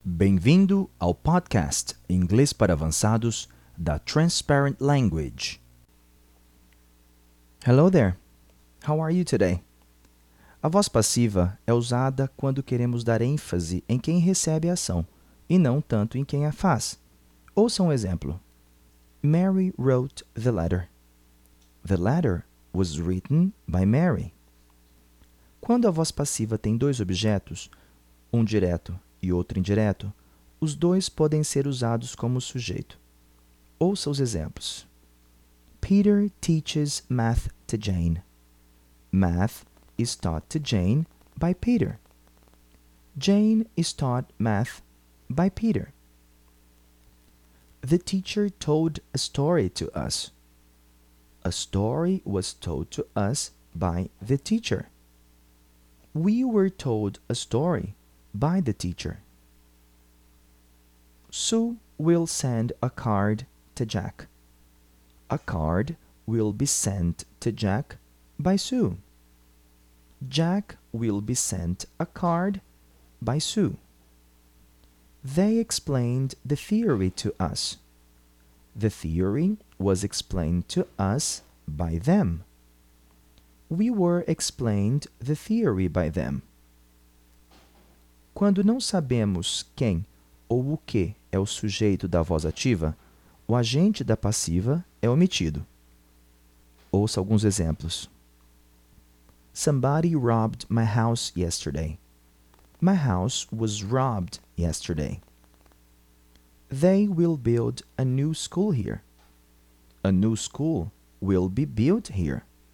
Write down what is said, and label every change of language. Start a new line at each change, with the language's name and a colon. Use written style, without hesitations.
Portuguese: Bem-vindo ao podcast Inglês para Avançados da Transparent Language.
English: Hello there. How are you today?
Portuguese: A voz passiva é usada quando queremos dar ênfase em quem recebe a ação e não tanto em quem a faz. Ouça um exemplo.
English: Mary wrote the letter. The letter was written by Mary.
Portuguese: Quando a voz passiva tem dois objetos, um direto e outro indireto, os dois podem ser usados como sujeito. Ouça os exemplos.
English: Peter teaches math to Jane. Math is taught to Jane by Peter. Jane is taught math by Peter. The teacher told a story to us. A story was told to us by the teacher. We were told a story by the teacher. Sue will send a card to Jack. A card will be sent to Jack by Sue. Jack will be sent a card by Sue. They explained the theory to us. The theory was explained to us by them. We were explained the theory by them.
Portuguese: Quando não sabemos quem ou o que é o sujeito da voz ativa, o agente da passiva é omitido. Ouça alguns exemplos.
English: Somebody robbed my house yesterday. My house was robbed yesterday. They will build a new school here. A new school will be built here.